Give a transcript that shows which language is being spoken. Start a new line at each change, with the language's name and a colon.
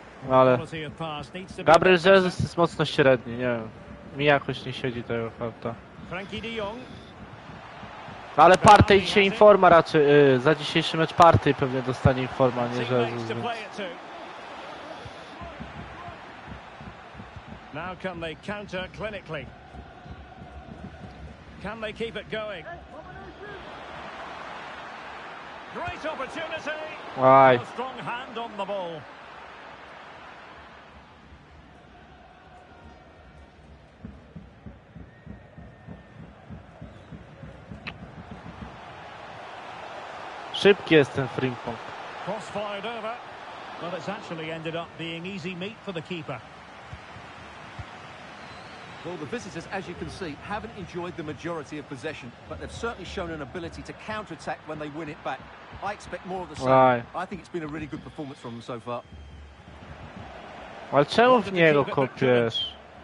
Polish: Ale Gabriel Jesus jest mocno średni, nie wiem. Mi jakoś nie siedzi tego karta. Ale Partey dzisiaj informa raczej. Za dzisiejszy mecz Partey pewnie dostanie informa, nie Jesus. Więc.
English: Now can they counter clinically? Can they keep it going? Great opportunity! Why? A strong hand on the ball.
Polish: Szybki jest ten Frimpong.
English: Crossfired over. But it's actually ended up being easy meat for the keeper. Well, the visitors, as you can see, haven't enjoyed the majority of possession, but they've certainly shown an ability to counter-attack when they win it back. I expect more of the same. Aye. I think it's been a really good performance from them so far.
Polish: Ale czemu w niego kopiesz?